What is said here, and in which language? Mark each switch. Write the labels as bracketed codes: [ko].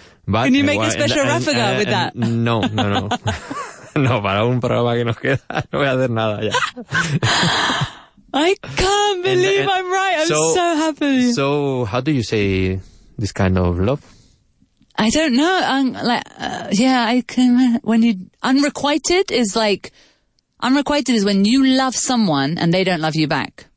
[en] But can you make a special raffaga with that? No. [es] No, para un programa que nos queda, no voy a hacer nada ya. [en] I can't believe I'm right. I'm so happy. So, how do you say this kind of love? I don't know. Unrequited is like, unrequited is when you love someone and they don't love you back.